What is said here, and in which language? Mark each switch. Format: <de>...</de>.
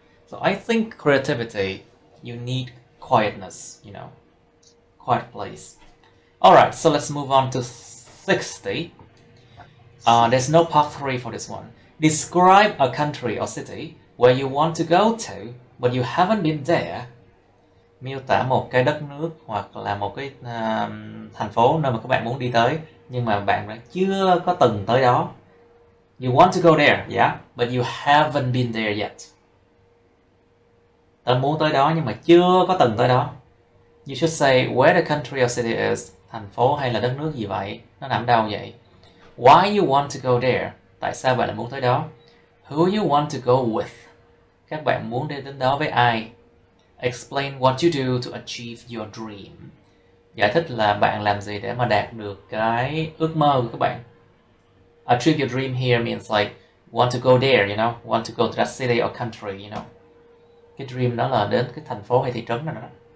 <en>So I think creativity, you need quietness, you know, quiet place. All right, so let's move on to 60. There's no part 3 for this one. Describe a country or city where you want to go to, but you haven't been there.</en> <vi>Miêu tả một cái đất nước hoặc là một cái thành phố nơi mà các bạn muốn đi tới, nhưng mà bạn chưa có từng tới đó.</vi> <en>You want to go there, yeah, but you haven't been there yet.</en> <vi>Tớ muốn tới đó nhưng mà chưa có từng tới đó.</vi> <en>You should say where the country or city is,</en> <vi>thành phố hay là đất nước gì vậy, nó nằm đâu vậy.</vi> <en>Why you want to go there,</en> <vi>tại sao bạn lại muốn tới đó.</vi> <en>Who you want to go with,</en> <vi>các bạn muốn đi đến đó với ai.</vi> <en>Explain what you do to achieve your dream,</en> <vi>giải thích là bạn làm gì để mà đạt được cái ước mơ của các bạn.</vi> <en>Achieve your dream here means like want to go there, you know, want to go to that city or country, you know.</en> <vi>Cái dream đó là đến cái thành phố hay thị trấn nào đó.</vi>